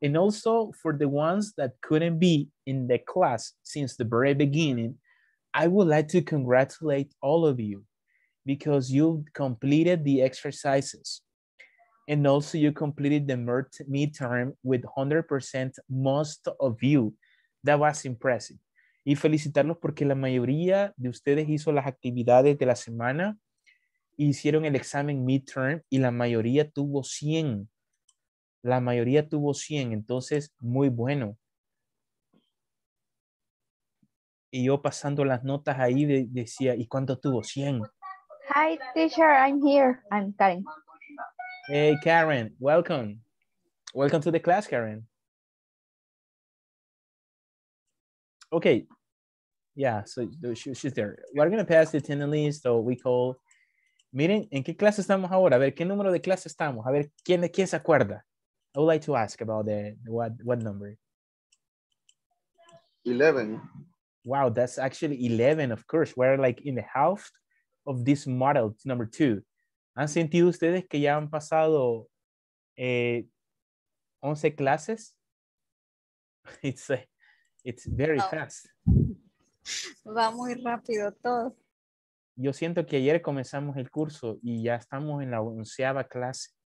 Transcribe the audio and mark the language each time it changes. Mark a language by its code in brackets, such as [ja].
[en] And also, for the ones that couldn't be in the class since the very beginning, I would like to congratulate all of you, because you completed the exercises and also you completed the midterm with 100% most of you. That was impressive. [es] Y felicitarlos porque la mayoría de ustedes hizo las actividades de la semana, hicieron el examen midterm y la mayoría tuvo 100. La mayoría tuvo 100, entonces muy bueno. Y yo pasando las notas ahí decía, ¿y cuánto tuvo? 100. [en] Hi, teacher, I'm here. I'm Karen. Hey, Karen, welcome. Welcome to the class, Karen. Okay, yeah, so she's there. We're going to pass the attendance list, so we call. [es] Miren, ¿en qué clase estamos ahora? A ver, ¿qué número de clase estamos? A ver, ¿quién se acuerda? [en] I would like to ask about what number. [es] 11. [en] Wow, that's actually 11, of course. We're like in the half of this model, number 2. [es] ¿Han sentido ustedes que ya han pasado 11 clases? [en] It's very fast. [es] Va muy rápido todo. Yo siento que ayer comenzamos el curso y ya estamos en la 11ª clase.